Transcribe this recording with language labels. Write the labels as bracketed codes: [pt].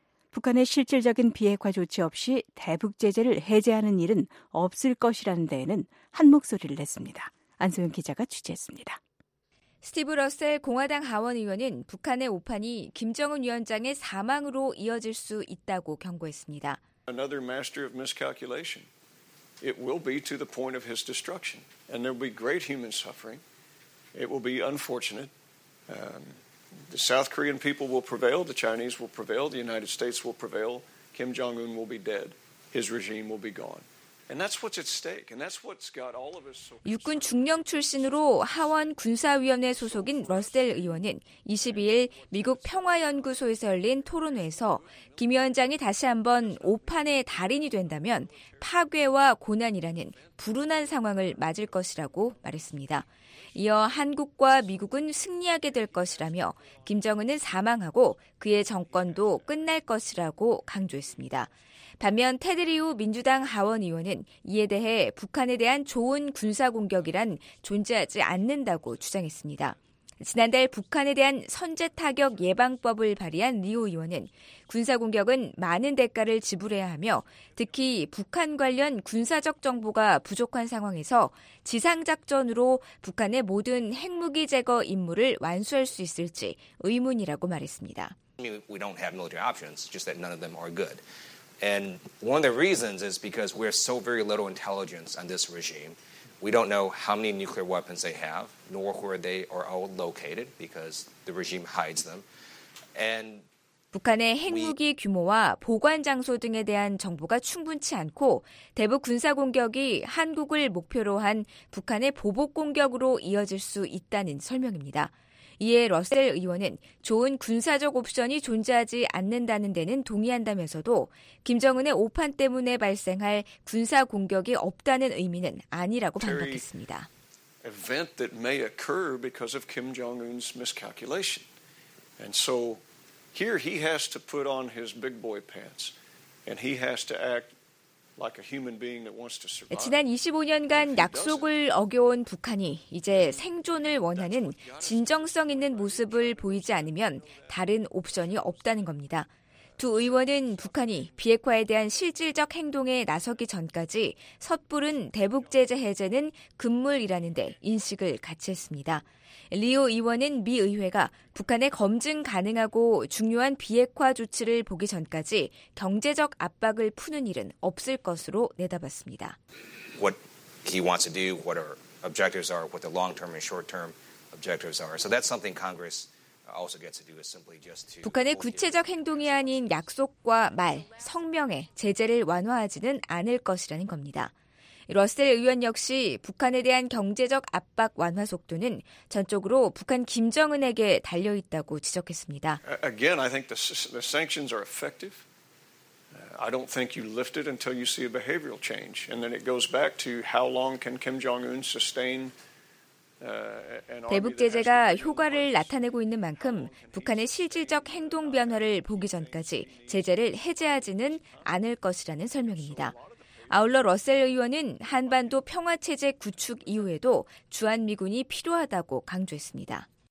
[ko] 북한의 실질적인 비핵화 조치 없이 대북 제재를 해제하는 일은 없을 것이라는 데에는 한 목소리를 냈습니다. 안소영 기자가 취재했습니다. 스티브 러셀 공화당 하원 의원은 북한의 오판이 김정은 위원장의 사망으로 이어질 수 있다고 경고했습니다. [en] Another master of miscalculation. It will be to the point of his destruction. And there will be great human suffering. It will be unfortunate. The South Korean people will prevail. The Chinese will prevail. The United States will prevail. Kim Jong-un will be dead. His regime will be gone. And that's what's at stake. And that's what's got all of us so. [ko] 육군 중령 출신으로 하원 군사위원회 소속인 러셀 의원은 22일 미국 평화연구소에서 열린 토론회에서 김 위원장이 다시 한번 오판의 달인이 된다면 파괴와 고난이라는 불운한 상황을 맞을 것이라고 말했습니다. 이어 한국과 미국은 승리하게 될 것이라며 김정은은 사망하고 그의 정권도 끝날 것이라고 강조했습니다. 반면 테드리우 민주당 하원 의원은 이에 대해 북한에 대한 좋은 군사공격이란 존재하지 않는다고 주장했습니다. 지난달 북한에 대한 선제타격 예방법을 발의한 리오 의원은 군사공격은 많은 대가를 지불해야 하며 특히 북한 관련 군사적 정보가 부족한 상황에서 지상작전으로 북한의 모든 핵무기 제거 임무를 완수할 수 있을지 의문이라고 말했습니다. [en] We don't have military options, just that none of them are good. And one of the reasons is because we're so very little intelligence on this regime. We don't know how many nuclear weapons they have, nor where they are all located, because the regime hides them. And [ko] 북한의 핵무기 규모와 보관 장소 등에 대한 정보가 충분치 않고 대북 군사 공격이 한국을 목표로 한 북한의 보복 공격으로 이어질 수 있다는 설명입니다. 이에 러셀 의원은 좋은 군사적 옵션이 존재하지 않는다는 데는 동의한다면서도 김정은의 오판 때문에 발생할 군사 공격이 없다는 의미는 아니라고 반박했습니다. [en] Event that may occur because of Kim Jong-un's miscalculation. And so here he has to put on his big boy pants and he has to act like a human being that wants to survive. [ko] 지난 25년간 약속을 어겨온 북한이 이제 생존을 원하는 진정성 있는 모습을 보이지 않으면 다른 옵션이 없다는 겁니다. 두 의원은 북한이 비핵화에 대한 실질적 행동에 나서기 전까지 섣부른 대북 제재 해제는 금물이라는 데 인식을 같이 했습니다. 리오 의원은 미 의회가 북한의 검증 가능하고 중요한 비핵화 조치를 보기 전까지 경제적 압박을 푸는 일은 없을 것으로 내다봤습니다. [en] What he wants to do, what our objectives are, what the long-term and short-term objectives are. So that's something Congress [ko] 북한의 구체적 행동이 아닌 약속과 말, 성명에 제재를 완화하지는 않을 것이라는 겁니다. 러셀 의원 역시 북한에 대한 경제적 압박 완화 속도는 전적으로 북한 김정은에게 달려 있다고 지적했습니다. [en] Again, I think the sanctions are effective. I don't think you lift it until you see a behavioral change, and then it goes back to how long can Kim Jong-un sustain. [ko] 대북 제재가 효과를 나타내고 있는 만큼 북한의 실질적 행동 변화를 보기 전까지 제재를 해제하지는 않을 것이라는 설명입니다. 아울러 러셀 의원은 한반도 평화체제 구축 이후에도 주한미군이 필요하다고 강조했습니다.